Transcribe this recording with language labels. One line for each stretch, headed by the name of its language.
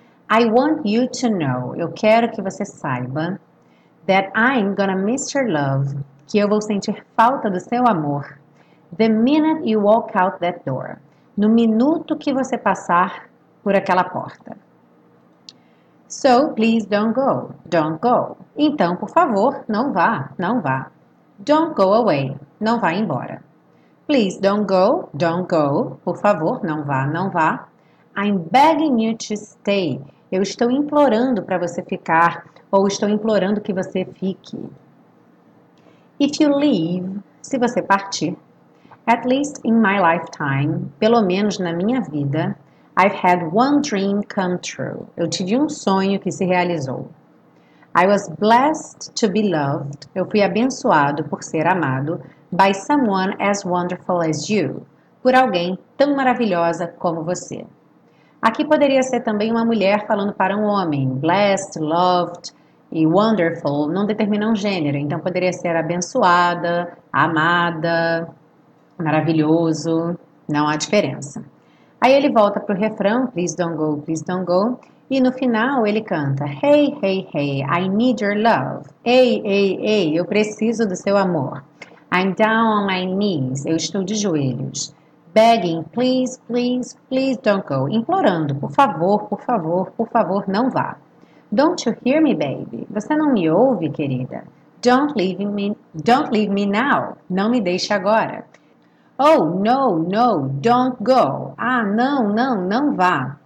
English: I want you to know.
Portuguese: Eu quero que você saiba.
English: That I'm gonna miss your love,
Portuguese: que eu vou sentir falta do seu amor,
English: the minute you walk out that door,
Portuguese: no minuto que você passar por aquela porta.
English: So, please don't go, don't go.
Portuguese: Então, por favor, não vá, não vá.
English: Don't go away,
Portuguese: não vá embora.
English: Please don't go, don't go.
Portuguese: Por favor, não vá, não vá.
English: I'm begging you to stay.
Portuguese: Eu estou implorando para você ficar, ou estou implorando que você fique.
English: If you leave,
Portuguese: se você partir,
English: at least in my lifetime,
Portuguese: pelo menos na minha vida,
English: I've had one dream come true.
Portuguese: Eu tive um sonho que se realizou.
English: I was blessed to be loved.
Portuguese: Eu fui abençoado por ser amado
English: by someone as wonderful as you.
Portuguese: Por alguém tão maravilhosa como você. Aqui poderia ser também uma mulher falando para um homem. Blessed, loved e wonderful não determina um gênero. Então poderia ser abençoada, amada, maravilhoso. Não há diferença. Aí ele volta para o refrão.
English: Please don't go, please don't go.
Portuguese: E no final ele canta.
English: Hey, hey, hey, I need your love.
Portuguese: Hey, hey, hey, eu preciso do seu amor.
English: I'm down on my knees.
Portuguese: Eu estou de joelhos.
English: Begging, please, please, please don't go.
Portuguese: Implorando, por favor, por favor, por favor, não vá.
English: Don't you hear me, baby?
Portuguese: Você não me ouve, querida?
English: Don't leave me now.
Portuguese: Não me deixe agora.
English: Oh, no, no, don't go.
Portuguese: Ah, não, não, não vá.